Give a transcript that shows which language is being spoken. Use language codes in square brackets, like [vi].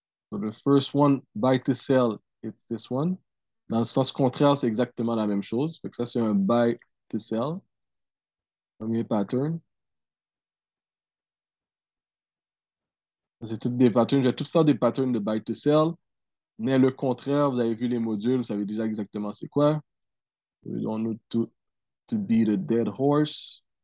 [en] So the first one, buy to sell, it's this one. [fr] Dans le sens contraire, c'est exactement la même chose. Fait que ça, c'est un buy to sell. Premier pattern. C'est toutes des patterns. Je vais tout faire des patterns de buy to sell. Mais le contraire, vous avez vu les modules, vous savez déjà exactement c'est quoi. [en] We don't need to beat a dead horse.